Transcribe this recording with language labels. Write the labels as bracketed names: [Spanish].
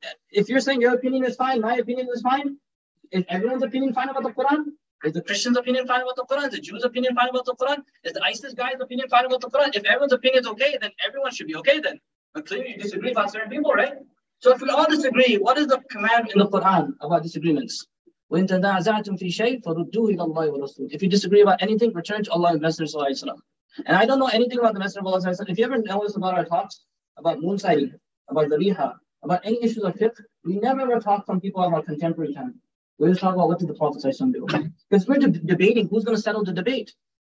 [English] If you're saying your opinion is fine, my opinion is fine, is everyone's opinion fine about the Quran? Is the Christian's opinion fine about the Quran? Is the Jew's opinion fine about the Quran? Is the ISIS guy's opinion fine about the Quran? If everyone's opinion is okay, then everyone should be okay then. But clearly you disagree about certain people, right? So if we all disagree, what is the command in the Quran about disagreements? When [Arabic] تَنَازَعْتُمْ فِي شَيْءٍ فَرُدُّوهُ إِلَى اللَّهِ وَرَسُولِهِ. [English] If you disagree about anything, return to Allah and Messenger Sallallahu Alaihi Wasallam. And I don't know anything about the Messenger of Allah Sallallahu Alaihi Wasallam. If you ever notice about our talks, about moon sighting, about dhariha, about any issues of fiqh, we never ever talk from people about contemporary time. We just talk about what did the Prophet Sallallahu Alaihi Wasallam do. Because we're debating who's going to settle the debate.